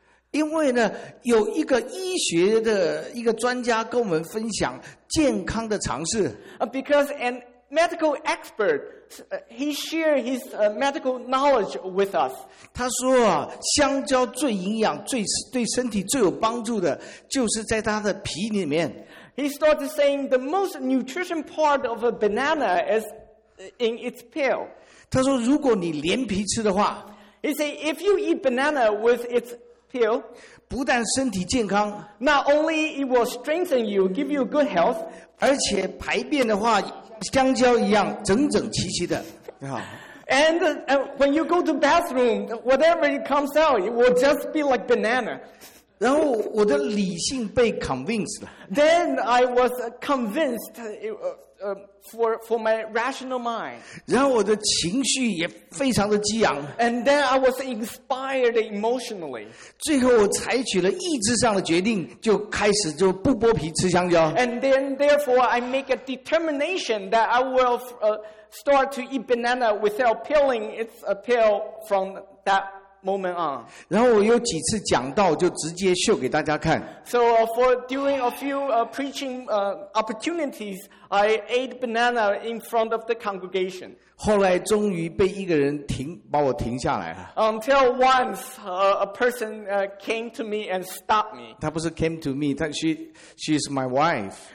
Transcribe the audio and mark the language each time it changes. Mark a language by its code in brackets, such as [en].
[zh] 因为呢，有一个医学的一个专家跟我们分享健康的尝试。 [en] Because anMedical expert, he shared his medical knowledge with us. [zh] 他说啊，香蕉最营养、最对身体最有帮助的，就是在它的皮里面。 [en] He started saying the most nutrition part of a banana is in its peel. [zh] 他说，如果你连皮吃的话 [en] ，He said if you eat banana with its peel. [zh] 不但身体健康 [en] ，Not only it will strengthen you, give you good health， [zh] 而且排便的话，香蕉一样整整齐齐的。 [en] And when you go to bathroom, whatever it comes out, it will just be like banana. [zh] 然后我的理性被 convinced 了。 [en] Then I was convinced for my rational mind. [zh] 然后我的情绪也非常的激昂。 [en] And then I was inspired emotionally. [zh] 最后我采取了意志上的决定，就开始就不剥皮吃香蕉。 [en] And then therefore I make a determination that I will start to eat banana without peeling its peel from that moment on. [zh] 然后我有几次讲道就直接秀给大家看。 [en] So for doing a few preaching opportunities, I ate banana in front of the congregation. [zh] 后来终于被一个人把我停下来了。 [en] Until once a person came to me and stopped me. [zh] 他不是 [en] came to me, 他 she is my wife.